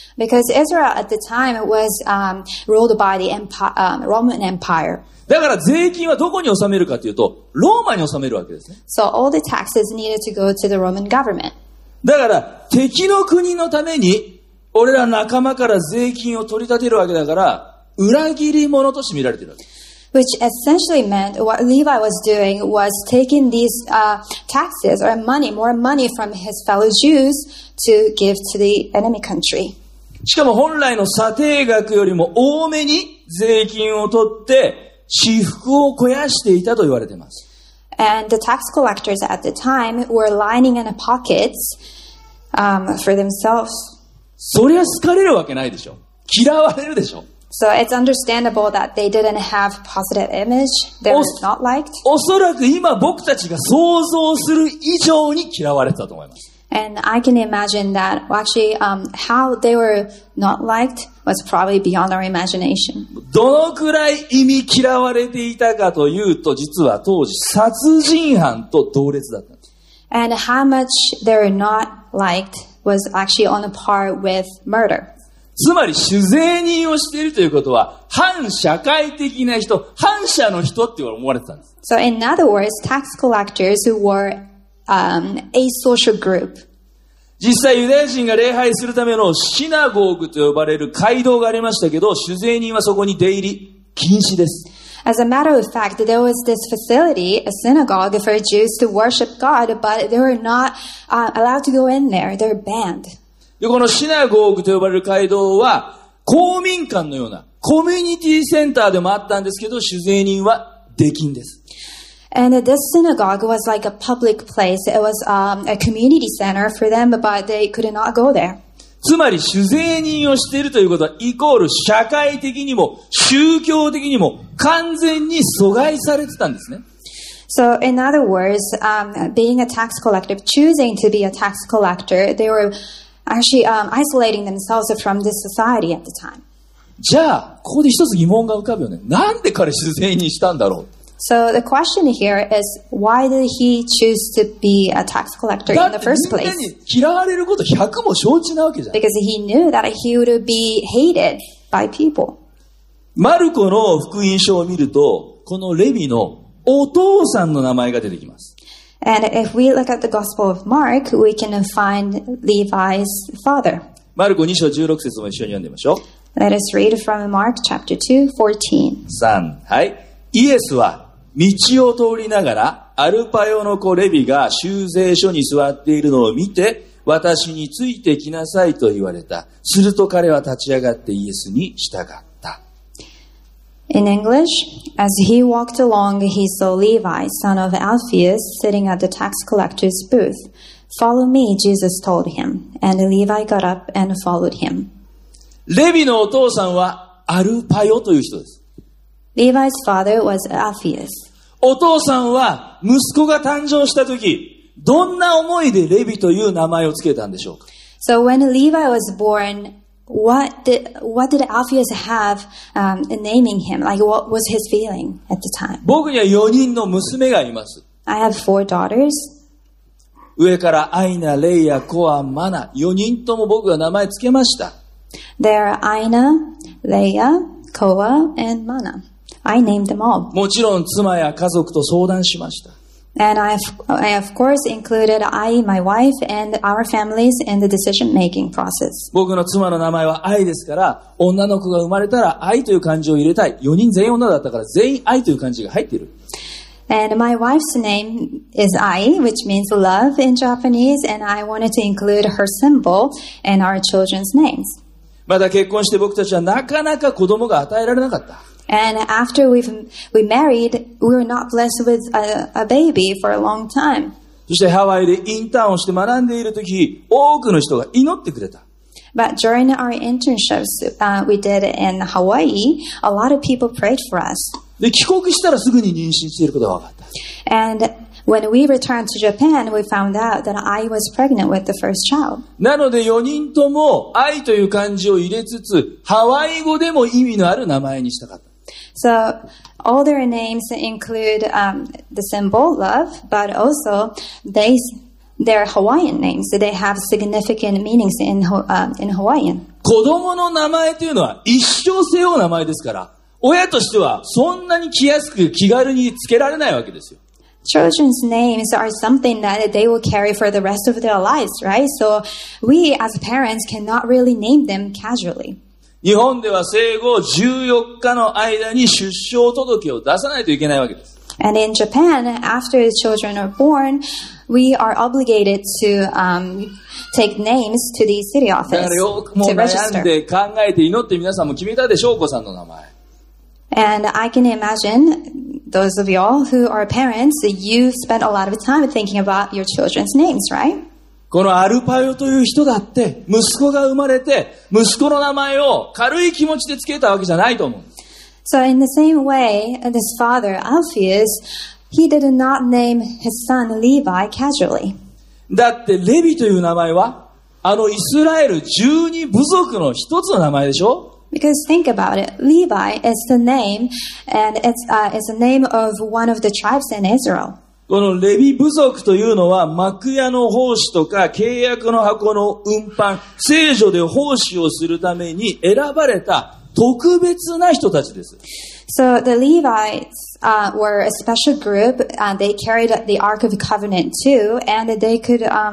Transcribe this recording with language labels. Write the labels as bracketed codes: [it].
[en] Because Israel at the time was ruled by the empire, Roman Empire. [ja] だから税金はどこに納めるかというと、ローマに納めるわけですね。 [en] So all the taxes needed to go to the Roman government. [ja] だから敵の国のために俺ら仲間から税金を取り立てるわけだから、裏切り者として見られているわけです。 [en] Which essentially meant what Levi was doing was taking these taxes or money, more money from his fellow Jews to give to the enemy country. [ja] しかも本来の査定額よりも多めに税金を取って私腹を肥やしていたと言われています。 [en] And the tax collectors at the time were lining in pockets, for themselves. [ja] そりゃ好かれるわけないでしょ。嫌われるでしょ。 [en] So it's understandable that they didn't have positive image. They were not liked. [ja] おそらく今僕たちが想像する以上に嫌われたと思います。 [en] And I can imagine that actually, how they were not liked was probably beyond our imagination. [ja] どのくらい忌み嫌われていたかというと、実は当時殺人犯と同列だったんです。 [en] And how much they were not liked was actually on a par with murder. [ja] つまり主税人をしているということは反社会的な人、反社の人って思われてたんです。 [en] So in other words, tax collectors who wereA social group. [ja] 実際ユダヤ人が礼拝するためのシナゴーグと呼ばれる会堂がありましたけど、主税人はそこに出入り禁止です。 [en] As a matter of fact, there was this facility, a synagogue for Jews to worship God, but they were not allowed to go in there. They're banned. [ja] で、このシナゴーグと呼ばれる会堂は公民館のようなコミュニティセンターでもあったんですけど、主税人は出禁です。 [en] And this synagogue was like a public place. It was a community center for them, but they could not go there. [ja] つまり主税人をしているということはイコール社会的にも宗教的にも完全に阻害されてたんですね。 [en] So in other words, being a tax collector, choosing to be a tax collector, they were actually isolating themselves from this society at the time. [ja] じゃあここで一つ疑問が浮かぶよね。なんで彼主税人したんだろう。 [en] So the question here is, why did he choose to be a tax collector in the first place? [ja] だって人間に嫌われること100も承知なわけじゃん。 [en] Because he knew that he would be hated by people. [ja] マルコの福音書を見ると、このレビのお父さんの名前が出てきます。 [en] And if we look at the Gospel of Mark, we can find Levi's father. [ja] マルコ2章16節も一緒に読んでみましょう。 [en] Let us read from Mark chapter 2, 14. [ja] 3、はい。イエスは道を通りながらアルパヨの子レビが収税所に座っているのを見て私についてきなさいと言われた。すると彼は立ち上がってイエスに従った。 [en] In English, as he walked along, he saw Levi, son of Alphaeus, sitting at the tax collector's booth. Follow me, Jesus told him. And Levi got up and followed him. [ja] レビのお父さんはアルパヨという人です。 [en] Levi's father was Alphaeus. [ja] お父さんは息子が誕生した時、どんな思いでレビという名前をつけたんでしょうか。 [en] So when Levi was born, what did Alphaeus have naming him? Like what was his feeling at the time? [ja] 僕には4人の娘がいます。 [en] I have four daughters. [ja] 上からアイナ、レイヤ、コア、マナ、4人とも僕が名前つけました。 [en] They are Aina, Leia, Koa, and Mana. I named them all. [ja] もちろん妻や家族と相談しました。 [en] And I of course included I, my wife, and our families in the decision-making process. [ja] 僕の妻の名前は愛ですから、女の子が生まれたら愛という漢字を入れたい。4人全員女だったから全員愛という漢字が入っている。 [en] And my wife's name is Ai, which means love in Japanese, and I wanted to include her symbol and our children's names. [ja] まだ結婚して僕たちはなかなか子供が与えられなかった。 [en] And after we married, we were not blessed with a baby for a long time. [ja] そしてハワイでインターンをして学んでいるとき、多くの人が祈ってくれた。 [en] But during our internships we did in Hawaii, a lot of people prayed for us. [ja] で、帰国したらすぐに妊娠していることが分かった。 [en] And when we returned to Japan, we found out that I was pregnant with the first child. [ja] なので4人とも愛という漢字を入れつつ、ハワイ語でも意味のある名前にしたかった。 [en] So, all their names include the symbol love, but also their Hawaiian names. They have significant meanings in Hawaiian. [ja] 子供の名前というのは一生背負う名前ですから、親としてはそんなに気安く気軽に付けられないわけですよ。 [en] Children's names are something that they will carry for the rest of their lives, right? So we as parents cannot really name them casually. [ja] 日本では生後14日の間に出生届を出さないといけないわけです。 [en] And in Japan, after the children are born, we are obligated to take names to the city office to register. [ja] だからよくもう悩んで考えて祈って皆さんも決めたでしょう、お子さんの名前。 [en] And I can imagine those of y'all who are parents, you spend a lot of time thinking about your children's names, right? [ja] このアルパヨという人だって、息子が生まれて、息子の名前を軽い気持ちでつけたわけじゃないと思う。 [en] So in the same way, this father, Alpheus, he did not name his son Levi casually. [ja] だってレビという名前は、あのイスラエル12部族の一つの名前でしょ？ [en] Because think about it, Levi is the name, and it's the name of one of the tribes in Israel. [ja] このレビ部族というのは幕屋の奉仕とか契約の箱の運搬、聖所で奉仕をするために選ばれた特別な人たちです。 [en] So the Levites were a special group. They carried the Ark of the Covenant too, and they could.